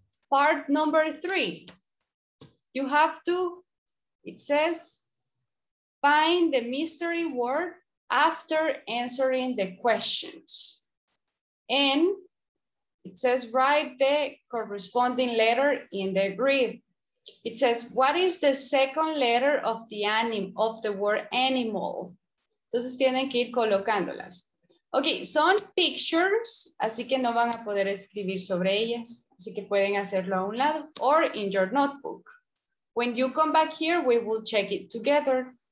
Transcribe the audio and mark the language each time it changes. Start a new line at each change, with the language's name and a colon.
English: Part number three, you have to, it says, find the mystery word after answering the questions. And it says, write the corresponding letter in the grid. It says, what is the second letter of the of the word animal?
Spanish: Entonces tienen que ir colocándolas. Okay, son pictures, así que no van a poder escribir sobre ellas. Así que pueden hacerlo a un lado
English: or in your notebook. When you come back here, we will check it together.